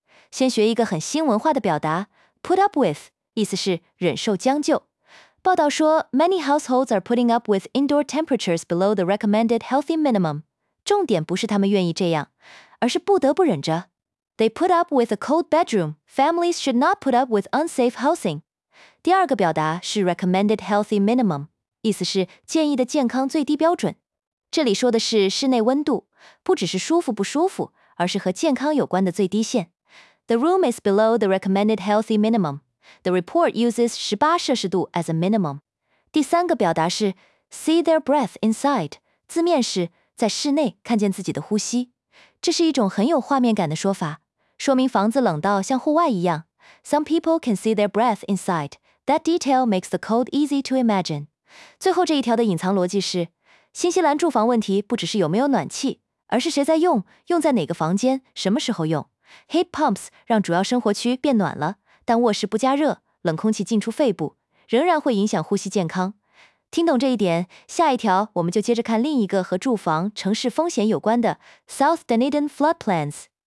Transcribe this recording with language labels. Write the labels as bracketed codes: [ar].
[zh] 先学一个很新文化的表达 ，put up with， 意思是忍受将就。报道说 [en] ，many households are putting up with indoor temperatures below the recommended healthy minimum。 [zh] 重点不是他们愿意这样，而是不得不忍着。 [en] They put up with a cold bedroom. Families should not put up with unsafe housing。 [zh] 第二个表达是 recommended healthy minimum， 意思是建议的健康最低标准。这里说的是室内温度，不只是舒服不舒服，而是和健康有关的最低线。 [en] The room is below the recommended healthy minimum. The report uses 18摄氏度 as a minimum. [zh] 第三个表达是 see their breath inside， 字面是在室内看见自己的呼吸。这是一种很有画面感的说法，说明房子冷到像户外一样。 [en] Some people can see their breath inside. That detail makes the cold easy to imagine. [zh] 最后这一条的隐藏逻辑是，新西兰住房问题不只是有没有暖气，而是谁在用，用在哪个房间，什么时候用。 Heat pumps 让主要生活区变暖了，但卧室不加热，冷空气进出肺部，仍然会影响呼吸健康。听懂这一点，下一条我们就接着看另一个和住房、城市风险有关的 South Dunedin floodplains。